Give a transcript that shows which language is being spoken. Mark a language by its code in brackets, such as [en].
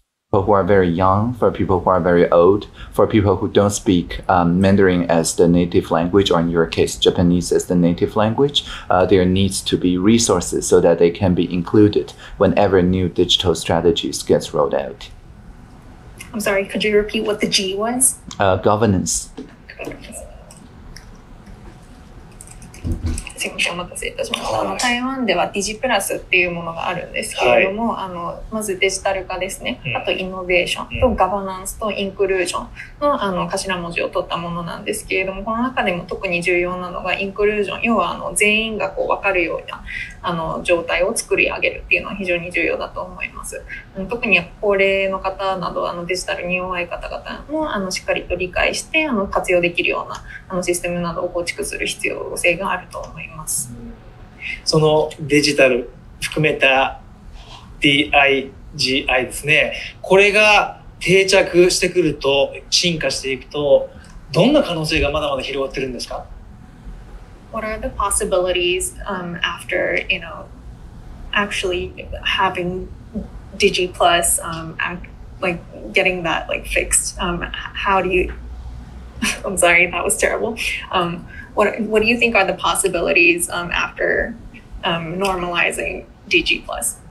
[en] For people who are very young, for people who are very old, for people who don't speak Mandarin as the native language, or in your case, Japanese as the native language, there needs to be resources so that they can be included whenever new digital strategies gets rolled out. I'm sorry, could you repeat what the G was? Governance. [ja] すみません、お待たせいたしました。台湾ではディジプラスっていうものがあるんですけれども、はい、まずデジタル化ですね、あとイノベーションとガバナンスとインクルージョン の, 頭文字を取ったものなんですけれども、この中でも特に重要なのがインクルージョン、要は全員がこう分かるような状態を作り上げるっていうのは非常に重要だと思います。特に高齢の方などデジタルに弱い方々もしっかりと理解して活用できるようなシステムなどを構築する必要性があると思います。そのデジタル含めた DIGI ですね、これが定着してくると、進化していくと、どんな可能性がまだまだ広がってるんですか？ [en] What are the possibilities after actually having DigiPlus getting that fixed? How do you? I'm sorry, that was terrible. What do you think are the possibilities after normalizing DigiPlus?